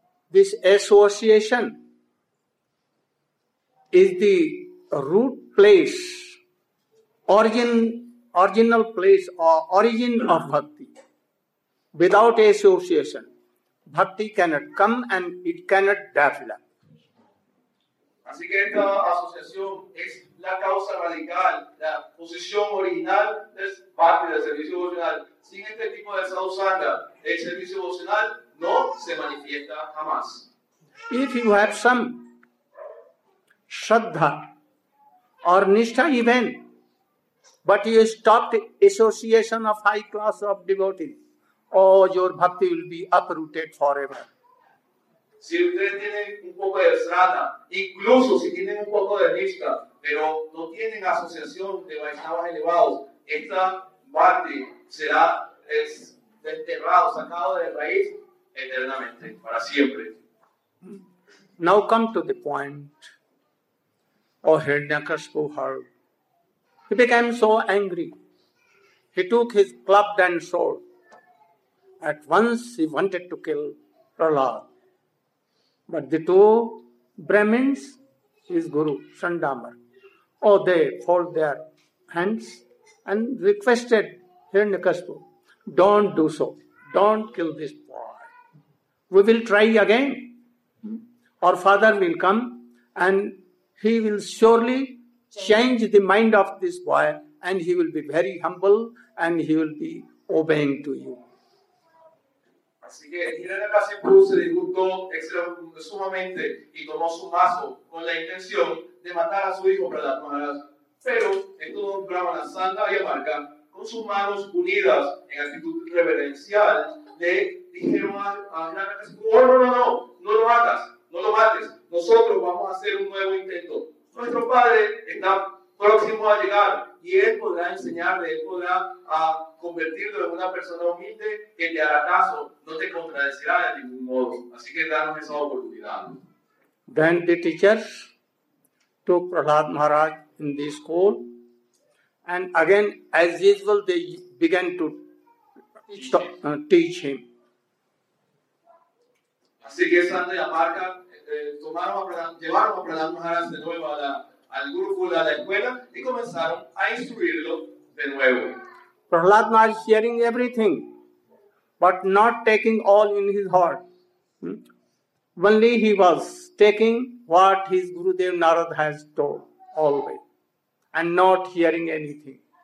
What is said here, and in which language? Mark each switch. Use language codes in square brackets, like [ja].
[en] This association is the root place, original place or origin of bhakti. Without association, bhakti cannot come and it cannot develop. [es] Así que esta asociación es la causa radical, la posición original es parte del servicio emocional. Sin este tipo de sadhusanga, el servicio emocional no se manifiesta jamás. [en] If you have some shraddha or nishtha even, but you stop the association of high class of devotees, your bhakti will be uprooted forever. [es] Si ustedes tienen un poco de srana, incluso si tienen un poco de nishtha, pero no tienen asociación de vaishnavas elevados, esta bhakti será desterrado, sacado de raíz eternamente, para siempre. [en] Now come to the point. Hiranyakashipu heard. He became so angry. He took his clubbed and sword. At once he wanted to kill Prahlad. But the two Brahmins, his guru, Sandamar, they fold their hands and requested Hiranyakashipu, don't do so. Don't kill this boy. We will try again. Our father will come and he will surely change the mind of this boy and he will be very humble and he will be obeying to you. [es] Así que Hiranyakashipu se disgustó sumamente y tomó su mazo con la intención de matar a su hijo Prahlad Maharaj. Pero estos dos brahmanas, Sanda y Amarga, con sus manos unidas en actitud reverencial, le dijeron a Hiranyakashipu, no lo matas, no lo mates, nosotros vamos a hacer un nuevo intento. Nuestro padre está próximo a llegar y él podrá enseñarle, él podrá convertirlo en una persona humilde que te hará caso, no te contradecirá de ningún modo. Así que danos esa oportunidad. [en] Then the teachers took Prahlad Maharaj in the school. And again, as usual, they began to teach him. [es] Así que esa de la marca, llevaron a Prahlad Maharaj de nuevo al gurukul, a la escuela, y comenzaron a instruirlo de nuevo. [en] Prahlad Maharaj hearing everything, but not taking all in his heart. Only he was taking what his Gurudev Narad has told always, and not hearing anything.